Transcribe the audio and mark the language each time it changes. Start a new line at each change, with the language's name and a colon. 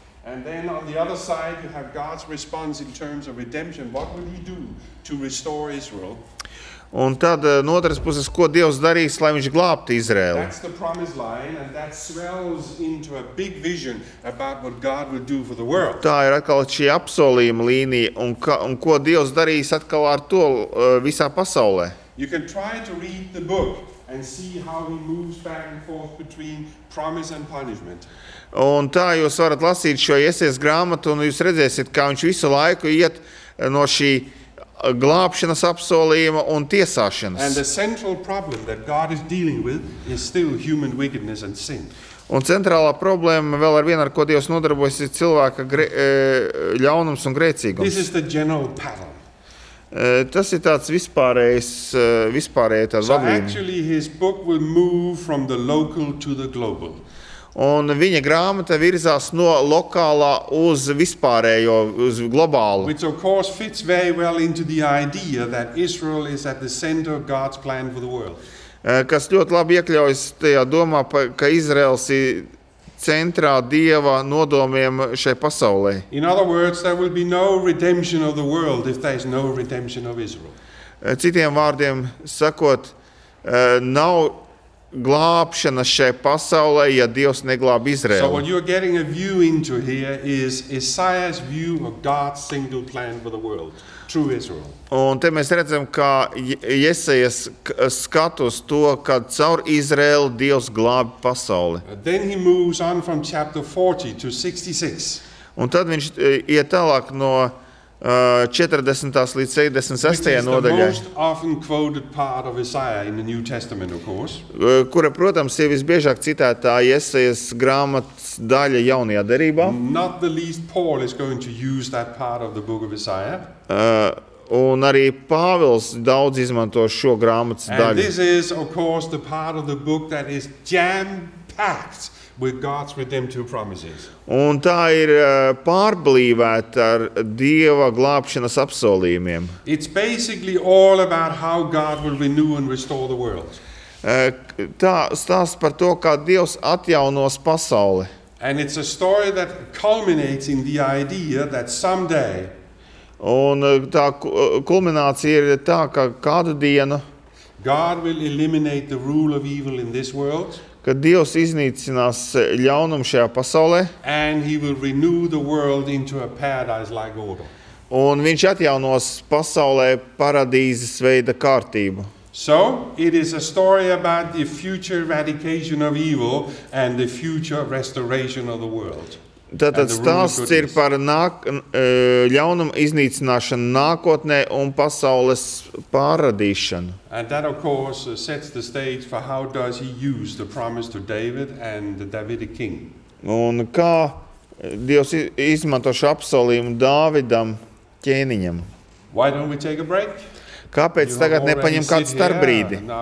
English: And then on the other side you have God's response in terms of redemption. What will he do to restore Israel?
Latvian: Un tad no otras puses, ko Dievs darīs, lai viņš glābtu Izraēlu.
English: That's the promise line and that swells into a big vision about what God will do for the world.
Latvian: Tā ir atkal šī apsolījuma līnija un ko Dievs darīs atkal ar to visā pasaulē.
English: You can try to read the book and see how he moves back and forth between promise and punishment.
Latvian: Un tā jūs varat lasīt šo Jesajas grāmatu un jūs redzēsiet, kā viņš visu laiku iet no šī glābšanas apsolījuma un tiesāšanas.
English: And the central problem that God is dealing with is still human wickedness and sin.
Latvian: Un centrālā problēma vēl ar vienu, ar ko Dievs nodarbojas, ir cilvēka ļaunums un grēcīgums.
English: This is the general pattern.
Latvian: Tas ir tāds vispārējais tāds vadlīnija.
English: So actually his book will move from the local to the global.
Latvian: Un viņa grāmata virzās no lokālā uz vispārējo, uz globālu.
English: Which of course fits very well into the idea that Israel is at the center of God's plan for the world.
Latvian: Kas ļoti labi iekļaujas tajā domā, ka Izraels ir centrā Dieva nodomiem šai pasaulē.
English: In other words, there will be no redemption of the world if there is no redemption of Israel.
Latvian: Citiem vārdiem sakot, nav glābšana šai pasaulē, ja Dievs neglāb Izraēlu.
English: So what you are getting a view into here is Isaiah's view of God's single plan for the world, true Israel.
Latvian: Un te mēs redzam, ka Jesajas skatus to, ka caur Izraēlu Dievs glāb pasauli.
English: Then he moves on from chapter 40 to 66.
Latvian: Un tad viņš iet tālāk no 40. Līdz 66. Nodaļā.
English: Which is the most often quoted part of Isaiah in the New Testament, of course.
Latvian: Kura, protams, ir visbiežāk citētā Jesajas grāmatas daļa jaunajā derībā.
English: Not the least Paul is going to use that part of the book of Isaiah.
Latvian: Un arī Pāvils daudz izmanto šo grāmatas daļu.
English: And this is, of course, the part of the book that is jam-packed with God's redemptive promises.
Latvian: Un tā ir pārblīvēta ar Dieva glābšanas apsolījumiem.
English: It's basically all about how God will renew and restore the world.
Latvian: Tā stāsts par to, kā Dievs atjaunos pasauli.
English: And it's a story that culminates in the idea that someday.
Latvian: Un tā kulminācija ir tā, ka kādu dienu
English: God will eliminate the rule of evil in this world.
Latvian: Kad Dievs iznīcinās ļaunumu šajā pasaulē.
English: And he will renew the world into a paradise-like order.
Latvian: Un viņš atjaunos pasaulē paradīzes veida kārtību.
English: So, it is a story about the future eradication of evil and the future restoration of the world.
Latvian: Tātad stāsts ir par ļaunumu iznīcināšanu nākotnē un pasaules pārradīšanu.
English: And that of course sets the stage for how does he use the promise to David and the Davidic king.
Latvian: Un kā Dievs izmanto šo apsolījumu Dāvidam ķēniņam.
English: Why don't we take a break?
Latvian: Kāpēc you tagad nepaņem kādu starpbrīdi?